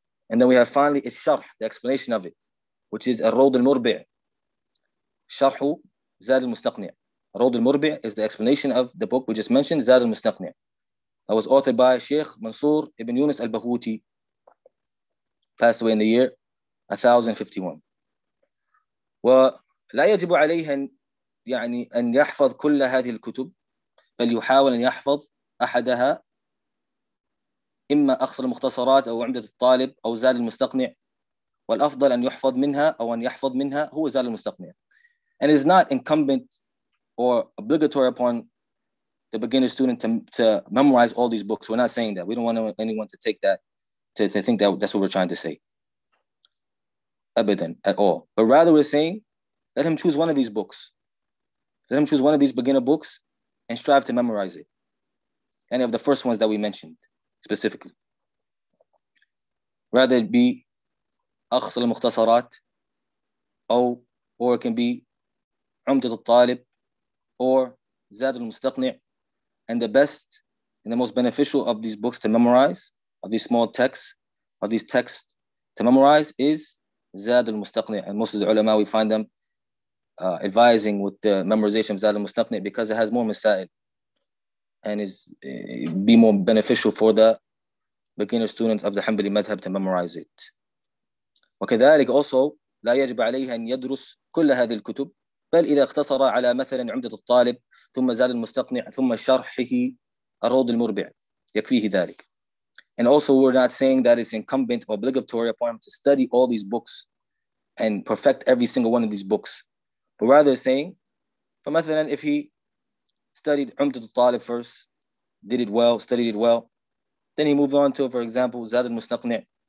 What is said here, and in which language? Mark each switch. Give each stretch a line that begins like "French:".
English: And then we have finally الشرح, the explanation of it, which is الروض المربع.
Arabic: شرح زاد المستقنع.
English: الروض المربع is the explanation of the book we just mentioned, زاد المستقنع. That was authored by Sheikh Mansur ibn Yunus al-Bahuti. Passed away in the year 1051.
Arabic: ولا يجب عليه يعني أن يحفظ كل هذه الكتب بل يحاول أن يحفظ أحدها إما أخص المختصرات أو عمدة الطالب أو زاد المستقنع والأفضل أن يحفظ منها أو أن يحفظ منها هو زاد المستقنع.
English: And it is not incumbent or obligatory upon the beginner student to memorize all these books. We're not saying that. We don't want anyone to take that, to think that that's what we're trying to say. أبداً, at all. But rather we're saying, let him choose one of these books. Let him choose one of these beginner books and strive to memorize it. Any of the first ones that we mentioned. Specifically, rather it be أخص المختصرات or it can be عمدة الطالب or زاد المستقنع. And the best and the most beneficial of these books to memorize, of these small texts, of these texts to memorize is زاد المستقنع. And most of the ulama, we find them advising with the memorization of زاد المستقنع because it has more مسائل and is be more beneficial for the beginner student of the Hanbali madhab to memorize it.
Arabic: وكذلك also لا يجب عليه أن يدرس كل هذه الكتب بل إذا اختصر على مثلا عمدة الطالب ثم زاد المستقنع ثم شرحه الروض المربع يكفيه ذلك.
English: And also we're not saying that it's incumbent or obligatory upon him to study all these books and perfect every single one of these books. But rather saying فمثلا if he studied عمدة الطالب first, did it well, studied it well, then he moved on to, for example, زاد المستقنع,